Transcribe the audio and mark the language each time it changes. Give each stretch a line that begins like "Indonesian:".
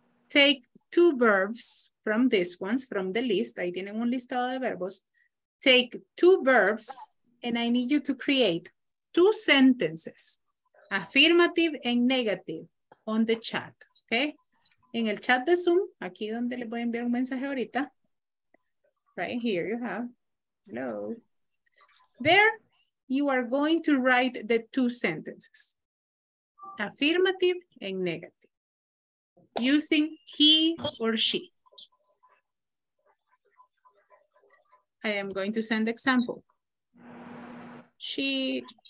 English: Take two verbs from this ones, from the list.
Spanish: Ahí tienen un listado de verbos.
English: Take two verbs and I need you to create two sentences, affirmative and negative, on the chat, okay?
Spanish: En el chat de Zoom, aquí donde les voy a enviar un mensaje ahorita.
English: Right here you have. Hello. There you are going to write the two sentences. Affirmative and negative. Using he or she. I am going to send example. She...